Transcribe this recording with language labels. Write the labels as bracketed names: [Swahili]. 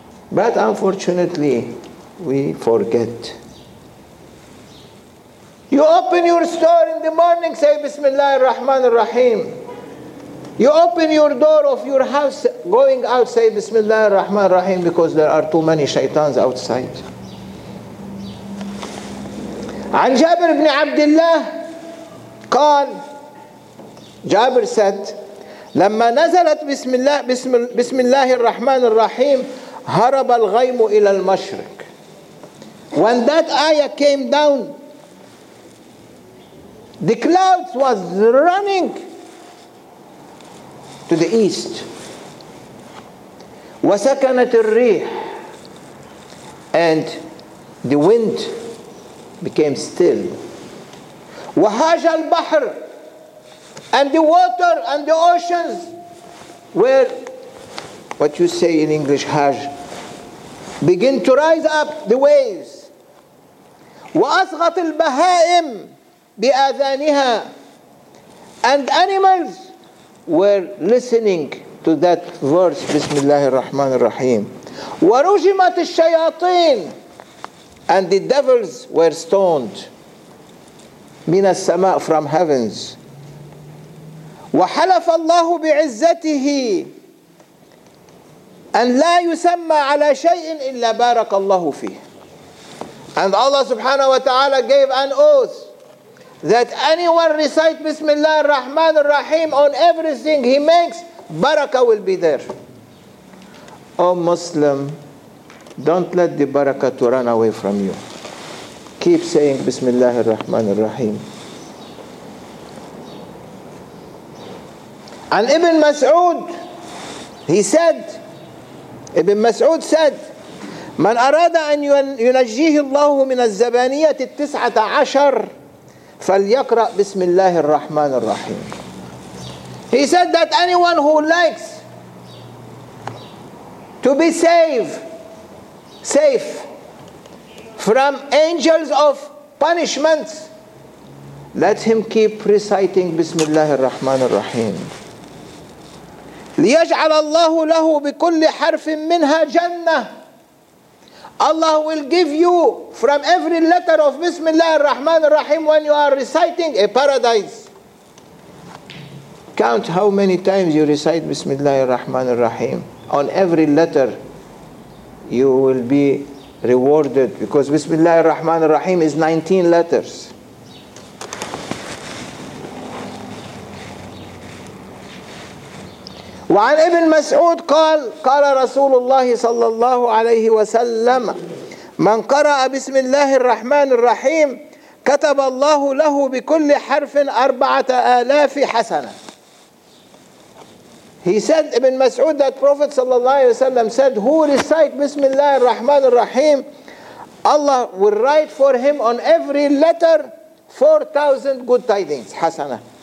[English] But unfortunately, we forget. You open your store in the morning, say Bismillah ar-Rahman ar-Rahim. You open your door of your house going out, say Bismillah ar-Rahman ar-Rahim, because there are too many shaitans outside. [Arabic] An Jabir ibn Abdullah قال, [English] Jabir said, [Arabic] لما نزلت بسم الله الرحمن الرحيم هرب الغيم إلى المشرق. [English] When that ayah came down, the clouds was running to the east. [Arabic] وسكنت الريح, [English] and the wind became still. [Arabic] وهاج البحر, [English] and the water and the oceans were, what you say in English, هاج, begin to rise up the waves. [Arabic] وأصغت البهائم بأذانها, [English] and animals were listening to that verse, Bismillah ar-Rahman ar-Rahim. [Arabic] ورجمت الشياطين, [English] and the devils were stoned. [Arabic] من السماء, [English] from heavens. [Arabic] وحلف الله بعزته أن لا يسمى على شيء إلا بارك الله فيه. [English] And Allah subhanahu wa ta'ala gave an oath that anyone recite Bismillah ar-Rahman ar-Rahim on everything he makes, barakah will be there. Oh Muslim, don't let the barakah to run away from you. Keep saying Bismillah ar-Rahman ar-Rahim. And Ibn Mas'ud, Ibn Mas'ud said, [Arabic] من أراد أن ينجيه الله من الزبانية التسعة عشر فليقرأ بسم الله الرحمن الرحيم. [English] He said that anyone who likes to be safe from angels of punishment, let him keep reciting [Arabic] بسم الله الرحمن الرحيم. ليجعل الله له بكل حرف منها جنة. [English] Allah will give you from every letter of Bismillah ar-Rahman ar-Rahim when you are reciting a paradise. Count how many times you recite Bismillah ar-Rahman ar-Rahim. On every letter you will be rewarded, because Bismillah ar-Rahman ar-Rahim is 19 letters. [Arabic] وعن ابن مسعود قال رسول الله صلى الله عليه وسلم من قرأ بسم الله الرحمن الرحيم كتب الله له بكل حرف 4,000 حسنة. [English] He said, ابن مسعود, that Prophet [Arabic] صلى الله عليه وسلم [English] said, who recite [Arabic] بسم الله الرحمن الرحيم, [English] Allah will write for him on every letter 4,000 good tidings, حسنة.